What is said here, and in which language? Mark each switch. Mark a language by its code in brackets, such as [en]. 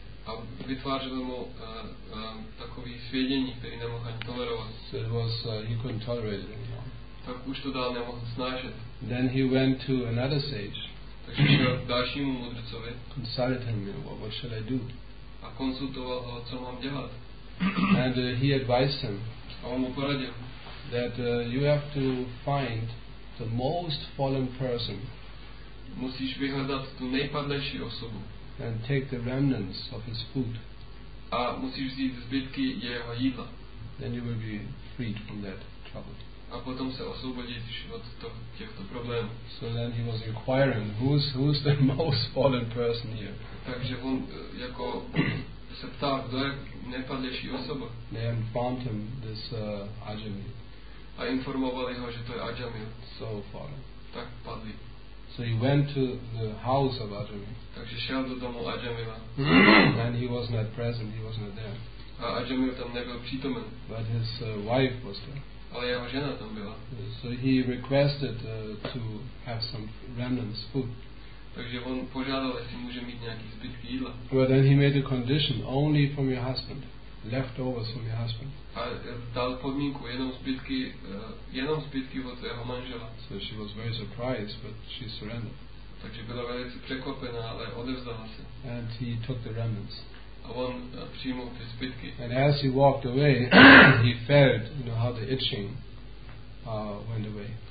[cs] A vytvářelo mu takový svědění, který nemohl ani tolerovat. [en] So it was, he couldn't tolerate it anymore. [cs] Tak už to dál nemohl snášet. [en] Then he went to another sage. [cs] Takže šel k dalšímu mudrcovi. [en] Consulted him, what shall I do? [cs] A konsultoval ho, co mám dělat. [en] And he advised him. [cs] A on mu poradil. [en] That you have to find the most fallen person. [cs] Musíš vyhledat tu nejpadlejší osobu. [en] And take the remnants of his food. [cs] A musíš vzít zbytky jeho jídla. [en] Then you will be freed from that trouble. [cs] A potom se osvobodíš od těchto problémů. [en] So then he was inquiring, who's the most fallen person here? [cs] Takže on jako se ptal, kdo je nejpadlejší osoba. [en] They informed him this Ajami. [cs] A informovali ho, že to je Ajami. [en] So fallen. [cs] Tak padlý. [en] So he went to the house of Ajami. [cs] Takže šel do domu Ajamiho. [en] And he was not present, he was not there. [cs] A Ajamiho tam nebyl přítomen. [en] But his wife was there. [cs] Ale jeho žena tam byla. [en] So he requested to have some remnants food. [cs] Takže on požádal, jestli může mít nějaký zbytky jídla. [en] But then he made a condition, only from your husband. Leftovers from your husband. [cs] A dal podmínku, jenom zbytky od jeho manžela. [en] So she was very surprised, but she surrendered. [cs] Takže byla velice překvapená, ale odevzdala se. [en] And he took the remnants. [cs] A on přijmul ty zbytky. [en] And as he walked away, he felt, you know, how the itching went away.